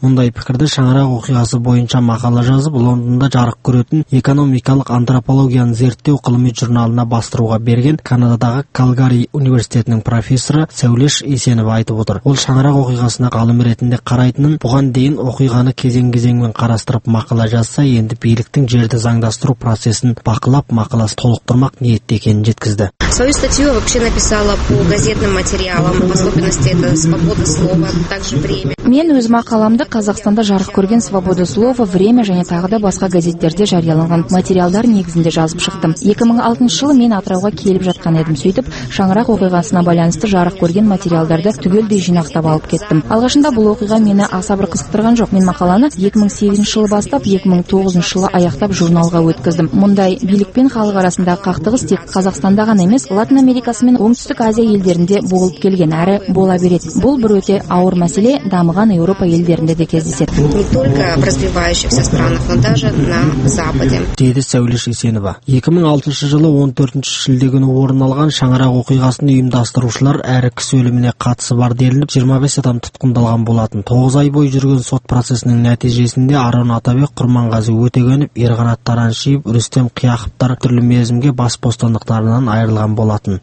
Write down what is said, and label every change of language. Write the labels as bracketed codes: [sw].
[kk] Мұндай пікірді шаңырақ оқиғасы бойынша мақала жазып, Лондонда жарық көретін экономикалық антропологияны зерттеу ғылыми журналына бастыруға берген Канададағы Калгари университетінің профессоры Сәулеш Есенова айтып отыр. Ол шаңырақ оқиғасына ғалым ретінде қарайтынын, бұған дейін оқиғаны кезең-кезеңмен қарастырып мақала жазса, енді биліктің жерді заңдастыру процесін бақылап мақаласын толықтырмақ ниетте екенін жеткізді. [ru] Свою статью я вообще написала по газетным материалам, в особенности это «Свобода слова», также «Время». [kk] Мен өз мақаламды Қазақстанда жарық көрген «Свобода слова», «Время» және тағы да басқа газеттерде жарияланған материалдар негізінде жазып шықтым. 2006 жылы мен Атырауға келіп жатқан едім, сөйтіп шаңырақ оқиғасына байланысты жарық көрген материалдарды түгелдей жинақтап алып кеттім. Алғашында бұл оқиға мені аса бір қызықтырған жоқ. Мен мақаланы 2008 жылы бастап, 2009 жылы аяқтап журналға өткіздім. Мұндай билік пен халық арасындағы қақтығыс тек Қазақстанда ғана емес, Латын Америкасы мен Оңтүстік Азия елдерінде болып келген, әрі бола береді. Бұл бір өте ауыр мәселе. Дамыған Еуропа елдерінде де кездеседі. [ru] Не только в развивающихся странах, но даже на Западе. [kk] Деді Сәулеш Есенова. 2006 жылы 14 шілде күні орын алған шаңырақ оқиғасын ұйымдастырушылар әрі кісі өліміне қатысы бар делініп, 25 адам тұтқындалған болатын. 9 ай бойы жүрген сот процесінің нәтижесінде Арын Атабек Құрманғазы Өтегенов, Ерғанат Тараншиев, Рүстем Қияқыптар түрлі мерзімге бас бостандықтарынан айырылған болатын.